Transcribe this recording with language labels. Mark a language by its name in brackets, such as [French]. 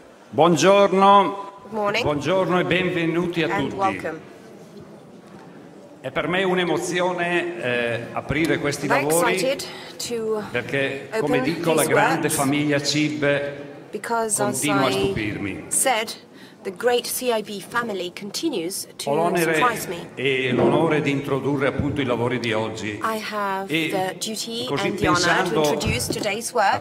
[Italian] Buongiorno. Buongiorno e benvenuti a tutti. È per me un'emozione aprire questi lavori perché, come dico, la grande famiglia CIB continua a stupirmi. [English] The great CIB family continues to surprise me. [Italian] Ho l'onere e l'onore di introdurre appunto i lavori di oggi. [English] I have the duty and the honor to introduce today's work.